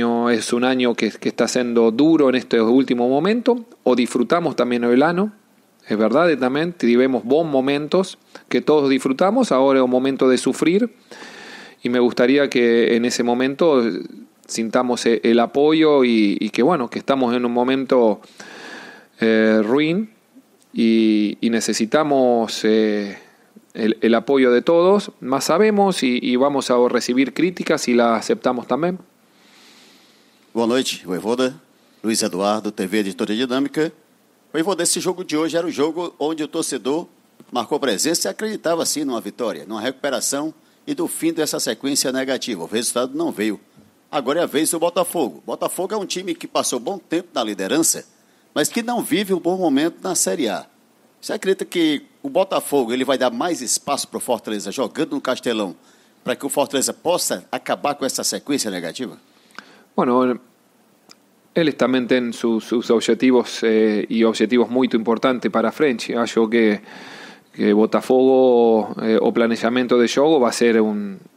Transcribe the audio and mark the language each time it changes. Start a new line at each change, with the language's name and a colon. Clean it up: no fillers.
Spanish: Es un año que está siendo duro en este último momento, o disfrutamos también el año, es verdad, también tuvimos buenos momentos que todos disfrutamos, ahora es un momento de sufrir y me gustaría que en ese momento sintamos el apoyo y que bueno, que estamos en un momento ruin y necesitamos el apoyo de todos, más sabemos y vamos a recibir críticas y las aceptamos también. Buenas noches, Voivoda, Luis Eduardo, TV Editora Dinâmica.
Portuguese: Voivoda, esse jogo de hoje era o jogo onde o torcedor marcou presença e acreditava, sim, numa vitória, numa recuperação e do fim dessa sequência negativa. O resultado não veio. Agora é a vez do Botafogo. Botafogo é um time que passou bom tempo na liderança, mas que não vive um bom momento na Série A. Você acredita que o Botafogo ele vai dar mais espaço para o Fortaleza jogando no Castelão para que o Fortaleza possa acabar com essa sequência negativa?
Spanish: Bueno, ellos también tienen sus objetivos y objetivos muy importantes para frente.
Portuguese: Acho que Botafogo, o
Spanish: planeamiento de juego va a ser un